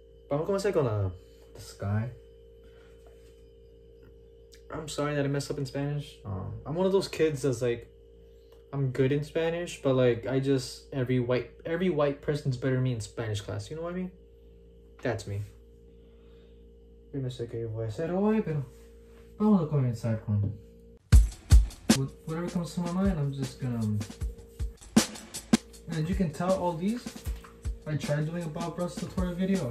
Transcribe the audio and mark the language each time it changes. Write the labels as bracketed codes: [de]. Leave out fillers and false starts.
[en] But I'm gonna say on the sky. I'm sorry that I messed up in Spanish. I'm one of those kids that's like, I'm good in Spanish, but like, I just, every white person's better than me in Spanish class. You know what I mean? That's me. [es] Yo no sé qué yo voy a hacer hoy, pero vamos a comenzar con... [en] Whatever comes to my mind, I'm just gonna... And as you can tell, all these, I tried doing a Bob Ross tutorial video.